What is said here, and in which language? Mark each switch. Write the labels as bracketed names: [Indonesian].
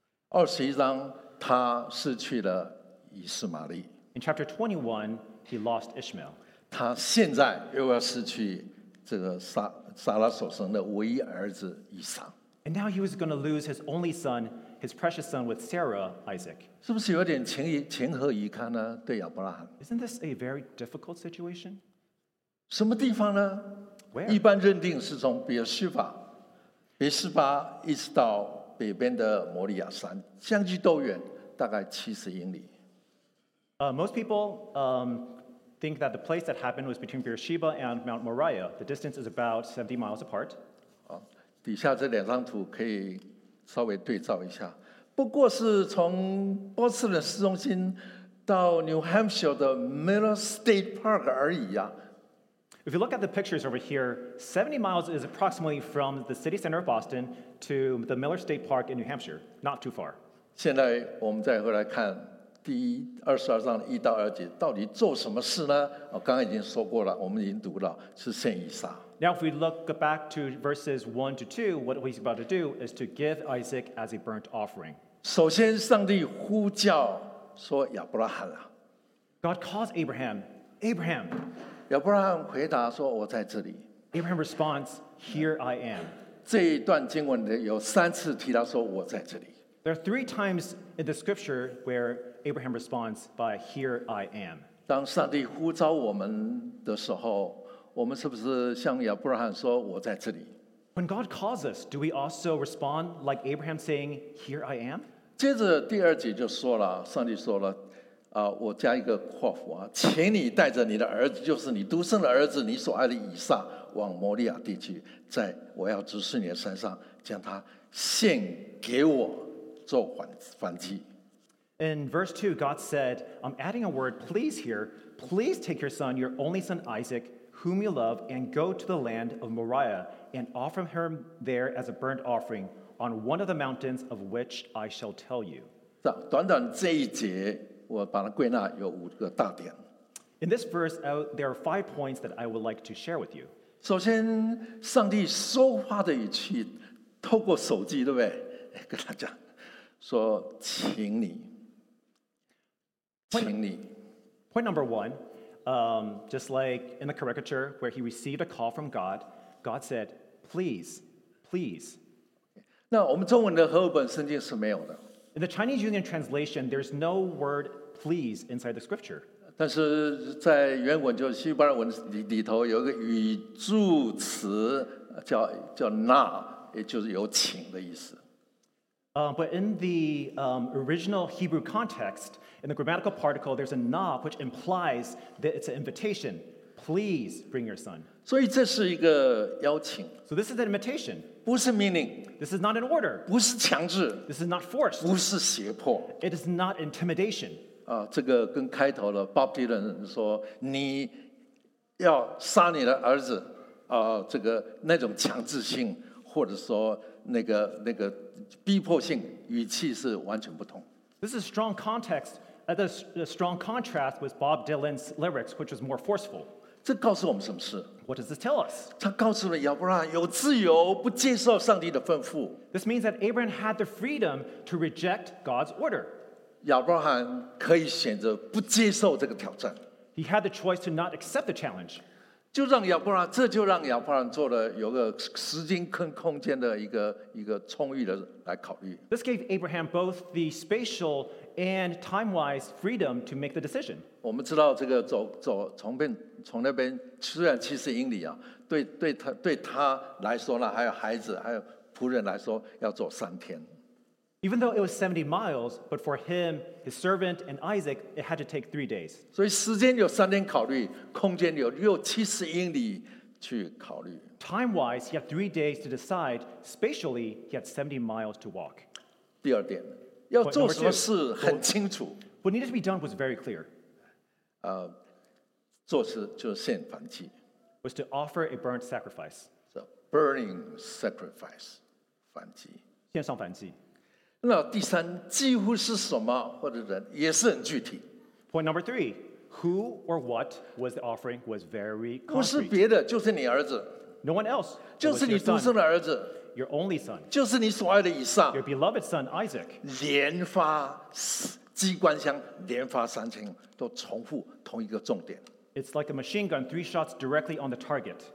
[Chinese] 21章，他失去了以实玛利。 [English] In chapter 21, he lost Ishmael. [Chinese] 他现在又要失去这个撒拉所生的唯一儿子以撒。 [English] And now he was going to lose his only son, his precious son with Sarah, Isaac. [Chinese] 是不是有点情何以堪呢？对亚伯拉罕。 [English] Isn't this a very difficult situation? [Chinese] 什么地方呢？ [English] Where? [Chinese] 一般认定是从别示法，别示巴一直到北边的摩利亚山，相距多远？大概70英里。 [English] Most people think that the place that happened was between Beersheba and Mount Moriah. The distance is about 70 miles apart. [Chinese] 底下这两张图可以稍微对照一下。不过是从波士顿市中心到 New Hampshire 的 Miller State Park 而已呀。 [English] If you look at the pictures over here, 70 miles is approximately from the city center of Boston to the Miller State Park in New Hampshire, not too far. [Chinese] 现在我们再回来看第22章1到2节到底做什么事呢？我刚刚已经说过了，我们已经读了，是献以撒。 [English] Now if we look back to verses 1 to 2, what he's about to do is to give Isaac as a burnt offering. [Chinese] 首先上帝呼叫说亚伯拉罕啊。 [English] God calls Abraham, Abraham. [Chinese] 亚伯拉罕回答说我在这里。 [English] Abraham responds, here I am. [Chinese] 这一段经文有三次提到说我在这里。 [English] There are three times in the scripture where Abraham responds by here I am. [Chinese] 当上帝呼召我们的时候，我们是不是像亚伯拉罕说我在这里？ [English] When God calls us, do we also respond like Abraham saying, here I am? [Chinese] 接着第二节就说了，上帝说了，我加一个括弧啊，请你带着你的儿子，就是你独生的儿子，你所爱的以撒，往摩利亚地去，在我要指示你的山上，将他献给我做燔祭。 [English] In verse 2, God said, I'm adding a word, please here, please take your son, your only son Isaac, whom you love, and go to the land of Moriah, and offer him there as a burnt offering on one of the mountains of which I shall tell you. [Chinese] 短短这一节，我把它归纳有五个大点。 [English] In this verse, there are five points that I would like to share with you. [Chinese] 首先，上帝说话的语气，透过手机，对不对？跟他讲，说，请你，请你。 [English] Point number one,just like in the caricature where he received a call from God, God said, please, please. [Chinese] 那我们中文的和合本圣经是没有的。 [English] In the Chinese Union translation, there's no word please inside the scripture. [Chinese] 但是在原文就是希伯来文里头有一个语助词叫那，也就是有请的意思。 [English] But in the original Hebrew context,In the grammatical particle, there's a na, which implies that it's an invitation. Please bring your son. So, [Chinese] 这是一个邀请。 [English] So this is an invitation. [Chinese] 不是命令。 [English] This is not an order. [Chinese] 不是强制。 [English] This is not forced. [Chinese] 不是胁迫。 [English] It is not intimidation. [Chinese] 这个跟开头的 Bob Dylan 说，你要杀你的儿子，这个那种强制性，或者说那个逼迫性，语气是完全不同。 [English] This is strong context, a strong contrast with Bob Dylan's lyrics, which was more forceful. [Chinese] 这告诉我们什么事？ [English] What does this tell us? [Chinese] 他告诉了亚伯拉罕有自由，不接受上帝的吩咐。 [English] This means that Abraham had the freedom to reject God's order. [Chinese] 亚伯拉罕可以选择不接受这个挑战。 [English] He had the choice to not accept the challenge. [Chinese] 就让亚伯拉罕，这就让亚伯拉罕做了有个时间跟空间的一个充裕的来考虑。 [English] This gave Abraham both the spatial and time-wise freedom to make the decision. [Chinese] 我们知道这个走从那边虽然七十英里啊，对他来说呢，还有孩子还有仆人来说，要走三天。 [English] Even though it was 70 miles, but for him, his servant, and Isaac, it had to take 3 days. [Chinese] 所以时间有三天考虑，空间有六七十英里去考虑。 [English] Time-wise, he had 3 days to decide. Spatially, he had 70 miles to walk. [Chinese] 第二点，要做什么事很清楚。 [English] What needed to be done was very clear. [Chinese] 做事就是献燔祭。 [English] Was to offer a burnt sacrifice. So, burning sacrifice, [Chinese] 燔祭。献上燔祭。那第三几乎是什么或者人也是很具体。 [English] Point number three, who or what was the offering was very concrete. [Chinese] 不是别的，就是你儿子。 [English] No one else. [Chinese] 就是你独生的儿子。 [English] Your only son. [Chinese] 就是你所爱的以撒。 [English] Your beloved son Isaac. [Chinese] 连发机关枪，连发三枪，都重复同一个重点。 [English] It's like a machine gun, three shots directly on the target.